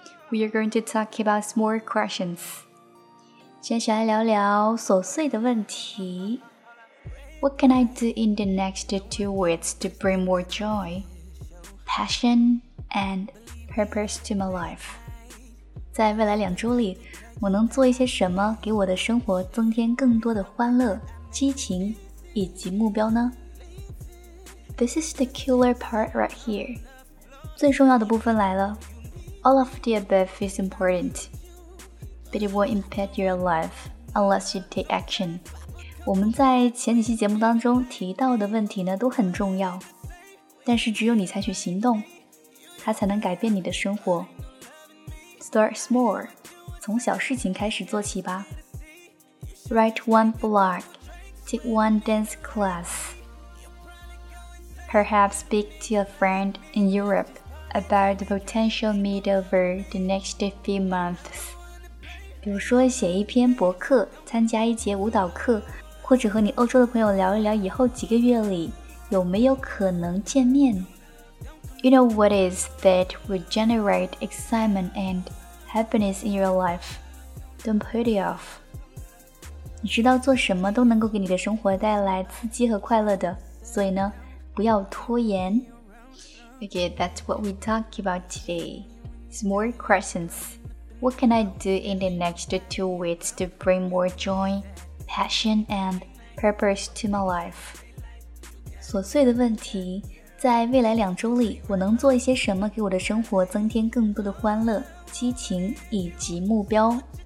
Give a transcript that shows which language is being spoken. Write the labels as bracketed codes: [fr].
[en] We are going to talk about small questions。 [zh] 接下来聊聊琐碎的问题。 [en] What can I do in the next 2 weeks to bring more joy, passion and purpose to my life? [zh] 在未来2周里，我能做一些什么给我的生活增添更多的欢乐、激情以及目标呢？ [en] This is the killer part right here. [zh] 最重要的部分来了。 [en] All of the above is important, but it won't impact your life unless you take action. [zh] 我们在前几期节目当中提到的问题呢都很重要，但是只有你采取行动，它才能改变你的生活。 [en] Start small, [zh] 从小事情开始做起吧。 [en] Write one blog, take one dance class. Perhaps speak to a friend in Europe about the potential meet over the next few months. [zh] 比如说写一篇博客，参加一节舞蹈课，或者和你欧洲的朋友聊一聊以后几个月里有没有可能见面。 [en] You know what is that would generate excitement and happiness in your life? Don't put it off. [zh] 你知道做什么都能够给你的生活带来刺激和快乐的，所以呢不要拖延。 [en] Okay, that's what we talk about today. Small questions. What can I do in the next 2 weeks to bring more joy, passion, and purpose to my life? [zh] 琐碎的问题，在未来2周里，我能做一些什么给我的生活增添更多的欢乐、激情以及目标？